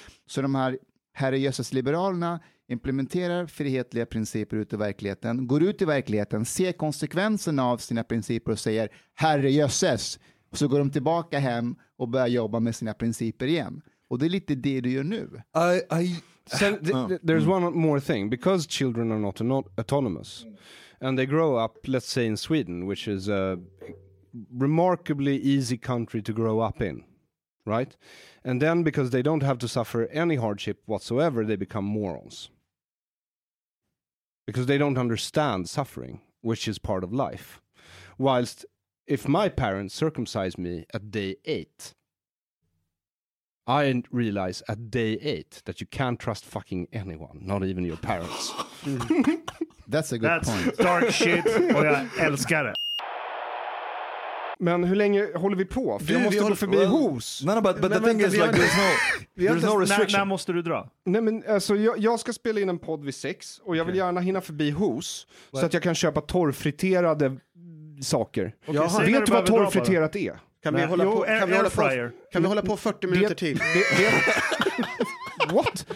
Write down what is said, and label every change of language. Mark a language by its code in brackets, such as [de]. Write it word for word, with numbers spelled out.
[sv] Så de här herrejösses-liberalerna implementerar frihetliga principer ut i verkligheten, går ut i verkligheten, ser konsekvenserna av sina principer och säger herrejösses. Och så går de tillbaka hem och börjar jobba med sina principer igen. Och det är lite det du gör nu. I, I... [en] So th- th- there's one more thing. Because children are not an- autonomous and they grow up, let's say in Sweden, which is a remarkably easy country to grow up in. Right? And then because they don't have to suffer any hardship whatsoever, they become morons. Because they don't understand suffering, which is part of life. Whilst if my parents circumcised me at day eight, I realize at day eight that you can't trust fucking anyone, not even your parents. That's a good That's point. Dark shit, [sv] och jag älskar det. Men hur länge håller vi på? För du, jag måste gå förbi well, Hos. [en] No, no, but, but the thing is, like, there's no, there's no restriction. [sv] När, när måste du dra? Nej, men alltså, jag, jag ska spela in en podd vid sex. Och jag vill gärna hinna förbi Hos. What? Så att jag kan köpa torrfriterade saker. Okay, jag vet du, du vad torrfriterat är? Kan vi, hålla, jo, på, kan vi hålla på Kan vi, vi hålla på fyrtio minuter det, till? Det, det, [en] what?